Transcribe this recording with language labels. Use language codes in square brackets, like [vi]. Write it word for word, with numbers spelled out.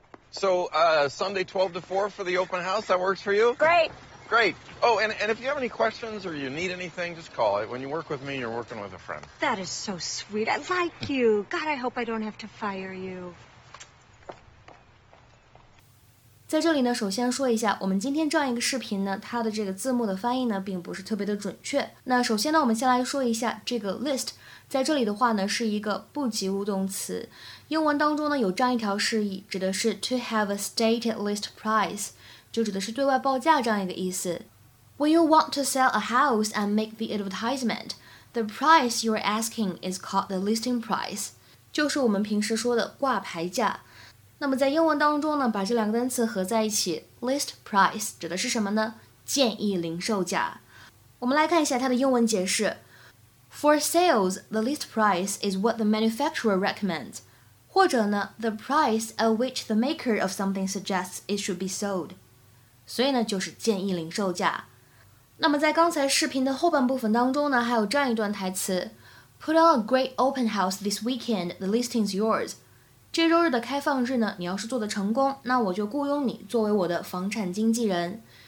[en] So, uh, Sunday twelve to four for the open house, that works for you? Great! Great. Oh, and, and if you have any questions or you need anything, just call it. When you work with me, you're working with a friend. That is so sweet. I like you. God, I hope I don't have to fire you. [zh] 在这里呢，首先说一下，我们今天这样一个视频呢，它的这个字幕的翻译呢，并不是特别的准确。那首先呢，我们先来说一下这个 list。在这里的话呢，是一个不及物动词。英文当中呢，有这样一条释义，指的是 [en] to have a stated list price。 [zh] 就指的是对外报价这样一个意思。 [en] When you want to sell a house and make the advertisement, the price you're asking is called the listing price. [zh] 就是我们平时说的挂牌价。那么在英文当中呢，把这两个单词合在一起 ，list price 指的是什么呢？建议零售价。我们来看一下它的英文解释。 [en] For sales, the list price is what the manufacturer recommends. [zh] 或者呢 [en] ，the price at which the maker of something suggests it should be sold. [zh] 所以呢，就是建议零售价。那么在刚才视频的后半部分当中呢，还有这样一段台词 ： [en] Put on a great open house this weekend, the listing's yours。 [zh] 这周日的开放日呢，你要是做得成功，那我就雇佣你作为我的房产经纪人。